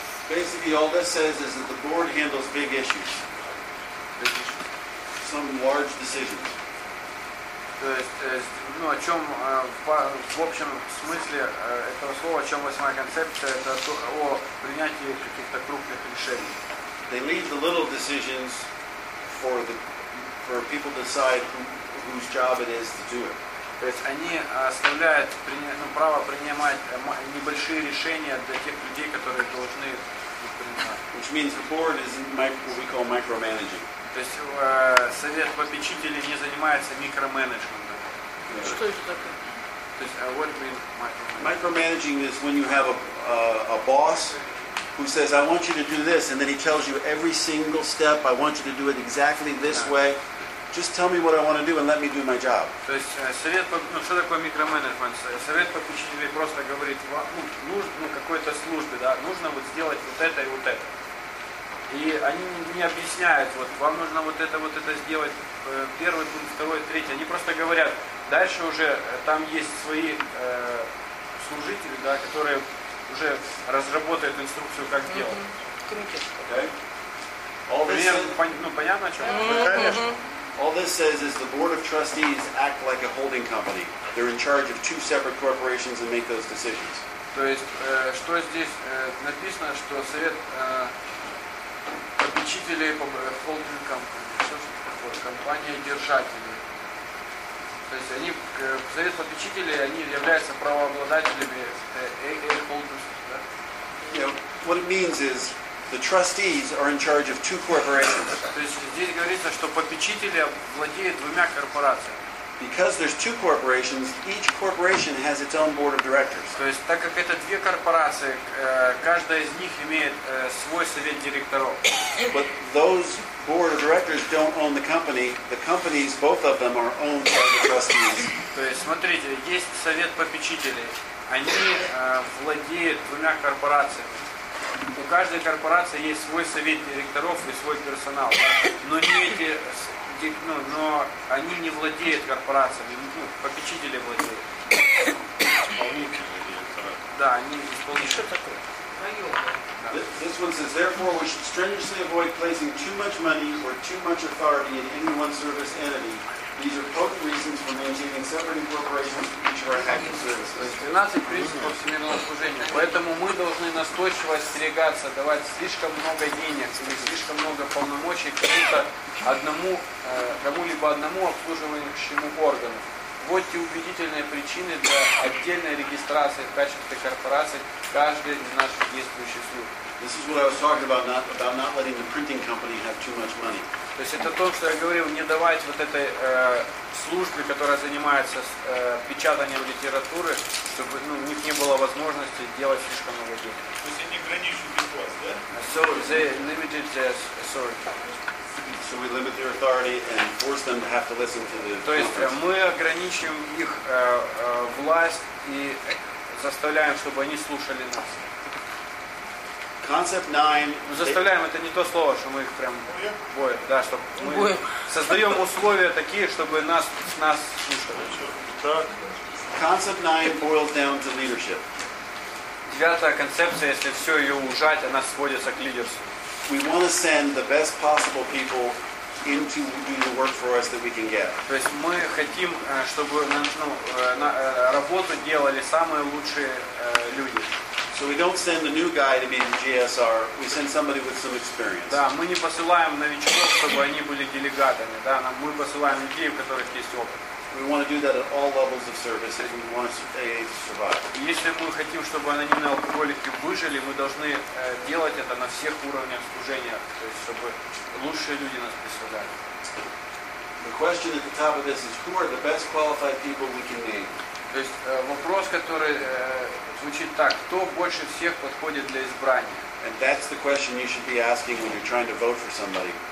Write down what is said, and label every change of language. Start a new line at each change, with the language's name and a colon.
English: Basically, all this says is that the board handles big issues. Some large decisions.
Russian: То есть, ну, о чем, в общем смысле этого слова, о чем восьмая концепция, это о принятии каких-то крупных решений.
English: They leave the little decisions for the for people to decide whose job it is to do it.
Russian: То есть они оставляют право принимать небольшие решения для тех людей, которые должны их принимать.
English: Which means the board is what we call micromanaging.
Russian: То есть совет попечителей не занимается микроменеджментом. Что это такое? То есть
English: what do you mean micromanaging? Micromanaging is when you have a boss who says, I want you to do this, and then he tells you every single step, I want you to do it exactly this way. Just tell me what I want to do and let me do my job.
Russian: То есть совет, ну что такое микроменеджмент? Совет попечителей просто говорит, нужно какой-то службе, да, нужно вот сделать вот это и вот это. И они не объясняют, вот вам нужно вот это сделать, первый пункт, второй, третий. Они просто говорят, дальше уже там есть свои служители, да, которые уже разработают инструкцию, как делать. Круто. Okay. Ну, понятно, о чем? Конечно.
English: All this says is the board of trustees act like a holding company. They're in charge of two separate corporations and make those decisions.
Russian: То есть, что здесь написано, что совет... Попечители холдинг компании, держатели. То есть они совет попечителей, они являются правообладателями холдингов, да?
English: Yeah. What it means is the trustees are in charge of two corporations.
Russian: То есть здесь говорится, что попечители владеют двумя корпорациями.
English: Because there's two corporations, each corporation has its own board of directors.
Russian: То есть, так как это две корпорации, каждая из них имеет свой совет директоров.
English: But those board of directors don't own the company. The companies, both of them, are owned by the trustees.
Russian: То есть, смотрите, есть совет попечителей. Они владеют двумя корпорациями. У каждой корпорации есть свой совет директоров и свой персонал. Но не эти... Ну, но они не владеют корпорациями, ну, попечители владеют. Исполнительные. Да, они исполнительные. Что такое?
English: This one says, therefore, we should strenuously avoid placing too much money or too much authority in any one service entity. These are both reasons for maintaining separate incorporations for each of our active services.
Russian: 12 принципов всемирного служения. Поэтому мы должны настойчиво остерегаться, давать слишком много денег или слишком много полномочий кому-то одному, кому-либо одному обслуживающему органу. Вот те убедительные причины для отдельной регистрации в качестве корпорации каждой из наших действующих служб.
English: This is what I was talking about not letting the printing company have too much money.
Russian: То есть это то, что я говорил, не давать вот этой службе, которая занимается печатанием литературы, чтобы у них не было возможности делать слишком много денег. То есть они ограничивают их власть, да?
English: So they limited their authority. So we limit their authority and force them to have to listen to the conference.
Russian: То есть мы ограничиваем их власть и заставляем, чтобы они слушали нас.
English: concept nine,
Russian: мы заставляем, это не то слово, что мы их прям боем, да, чтобы мы создаем условия такие, чтобы нас слушали.
English: Concept nine boils down to leadership.
Russian: Девятая концепция, если все ее ужать, она сводится к лидерству.
English: We want to send the best possible people into doing the work for us that we can get.
Russian: То есть мы хотим, чтобы работу делали самые лучшие люди.
English: So we don't send a new guy to be the GSR. We send somebody with some experience.
Russian: Да, мы не посылаем новичков, чтобы они были делегатами. Да, мы посылаем людей, у которых есть опыт.
English: We want to do that at all levels of service if we want AA to survive.
Russian: Если мы хотим, чтобы анонимные алкоголики выжили, мы должны делать это на всех уровнях служения, то есть чтобы лучшие люди нас присылали.
English: The question at the top of this is who are the best qualified people we can name?
Russian: То есть вопрос, который звучит так: кто больше всех подходит для избрания?
English: And that's the question you should be asking when you're trying to vote for somebody.